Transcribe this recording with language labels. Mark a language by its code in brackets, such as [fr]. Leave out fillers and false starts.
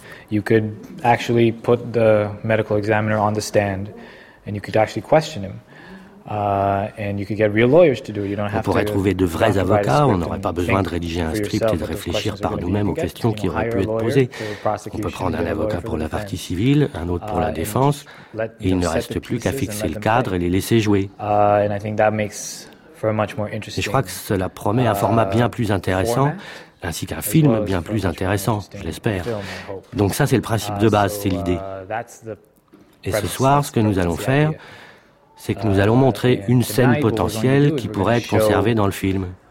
[en] You could actually put the medical examiner on the stand. And you could actually question him. And you could get real lawyers to do it. You don't have to. [fr] On pourrait trouver de vrais avocats. On n'aurait pas besoin de rédiger un script et de réfléchir par nous-mêmes aux questions qui auraient pu être posées. On peut prendre un avocat pour la partie civile, un autre pour la défense. Et il ne reste plus qu'à fixer le cadre et les laisser jouer. [en] And I think that makes for a much more interesting. [fr] Et je crois que cela promet un format bien plus intéressant. Ainsi qu'un film bien plus intéressant, je l'espère. Donc ça, c'est le principe de base, c'est l'idée. Et ce soir, ce que nous allons faire, c'est que nous allons montrer une scène potentielle qui pourrait être conservée dans le film.